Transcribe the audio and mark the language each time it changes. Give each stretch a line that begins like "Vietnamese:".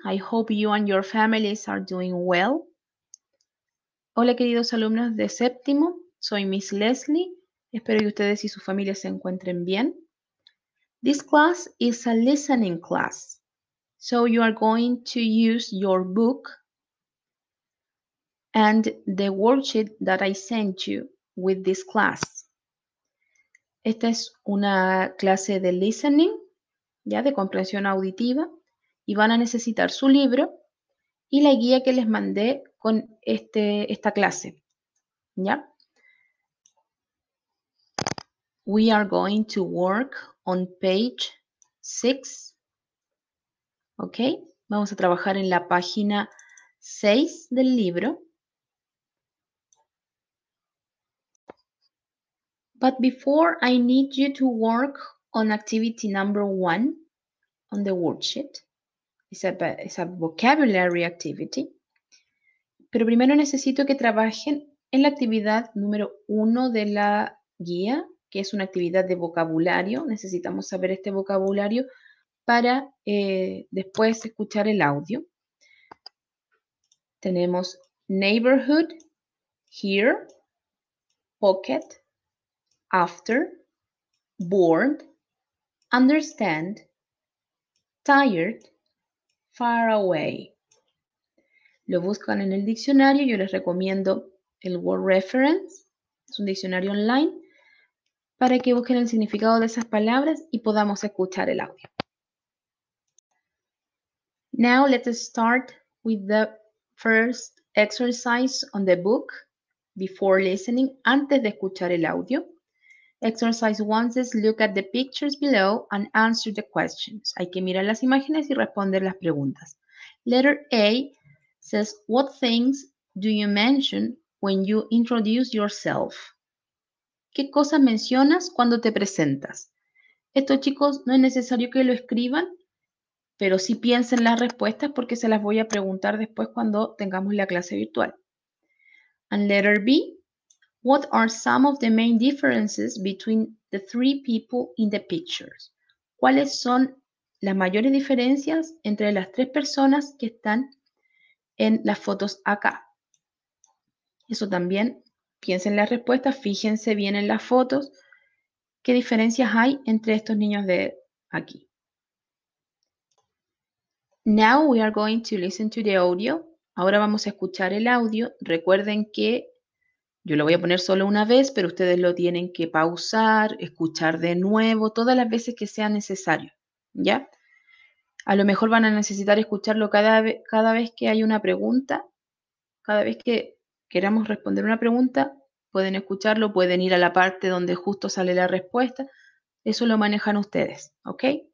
English: I hope you and your families are doing well.
Spanish: Hola, queridos alumnos de séptimo. Soy Miss Leslie. Espero que ustedes y sus familias se encuentren bien.
English: This class is a listening class. So you are going to use your book and the worksheet that I sent you with this class.
Spanish: Esta es una clase de listening, ya de comprensión auditiva, y van a necesitar su libro y la guía que les mandé con esta clase, ¿ya?
English: We are going to work on page 6, ¿ok?
Spanish: Vamos a trabajar en la página 6 del libro.
English: But before, I need you to work on activity number 1 on the worksheet. It's a vocabulary activity.
Spanish: Pero primero necesito que trabajen en la actividad número 1 de la guía, que es una actividad de vocabulario. Necesitamos saber este vocabulario para después escuchar el audio.
English: Tenemos neighborhood, here, pocket, after, bored, understand, tired, far away.
Spanish: Lo buscan en el diccionario, yo les recomiendo el Word Reference, es un diccionario online, para que busquen el significado de esas palabras y podamos escuchar el audio.
English: Now let's start with the first exercise on the book, before listening, antes de escuchar el audio. Exercise 1 says, look at the pictures below and answer the questions.
Spanish: Hay que mirar las imágenes y responder las preguntas.
English: Letter A says, what things do you mention when you introduce yourself?
Spanish: ¿Qué cosas mencionas cuando te presentas? Esto, chicos, no es necesario que lo escriban, pero sí piensen las respuestas porque se las voy a preguntar después cuando tengamos la clase virtual.
English: And letter B, what are some of the main differences between the 3 people in the pictures?
Spanish: ¿Cuáles son las mayores diferencias entre las 3 personas que están en las fotos acá? Eso también, piensen las respuestas, fíjense bien en las fotos. ¿Qué diferencias hay entre estos niños de aquí?
English: Now we are going to listen to the audio.
Spanish: Ahora vamos a escuchar el audio. Recuerden que yo lo voy a poner solo una vez, pero ustedes lo tienen que pausar, escuchar de nuevo, todas las veces que sea necesario, ¿ya? A lo mejor van a necesitar escucharlo cada vez que hay una pregunta, cada vez que queramos responder una pregunta, pueden escucharlo, pueden ir a la parte donde justo sale la respuesta, eso lo manejan ustedes, ¿ok?